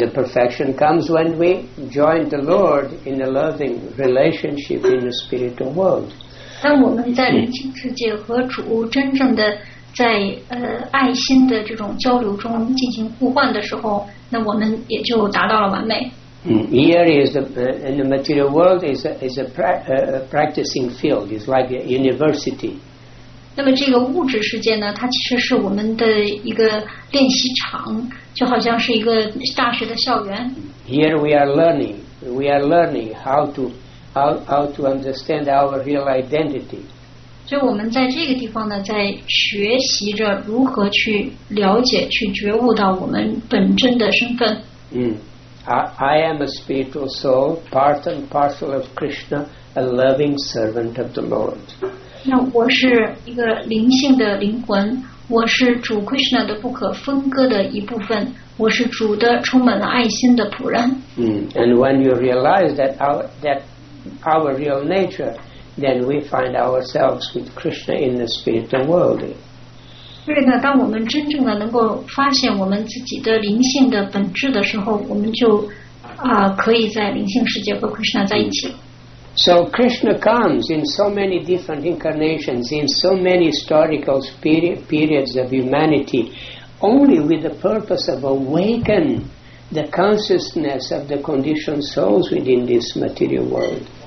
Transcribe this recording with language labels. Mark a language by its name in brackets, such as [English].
[English] the perfection comes when we join the Lord in a loving relationship in the spiritual world. [Chinese] 当我们在灵性世界和主真正的在爱心的这种交流中进行互换的时候。 [English] Here is in the material world is a practicing field. It's like a university. [Chinese] 那么这个物质世界呢，它其实是我们的一个练习场，就好像是一个大学的校园。 [English] Here we are learning. We are learning how to understand our real identity. [Chinese] 所以我们在这个地方呢，在学习着如何去了解、去觉悟到我们本真的身份。 [English] I am a spiritual soul, part and parcel of Krishna, a loving servant of the Lord. [Chinese] 那我是一个灵性的灵魂，我是主 Krishna 的不可分割的一部分，我是主的充满了爱心的仆人。 [English] And when you realize that our real nature, then we find ourselves with Krishna in the spiritual world. [Chinese] 所以呢，当我们真正的能够发现我们自己的灵性的本质的时候，我们就可以在灵性世界和 Krishna 在一起。 [English] So Krishna comes in so many different incarnations, in so many historical periods of humanity, only with the purpose of awakening the consciousness of the conditioned souls within this material world.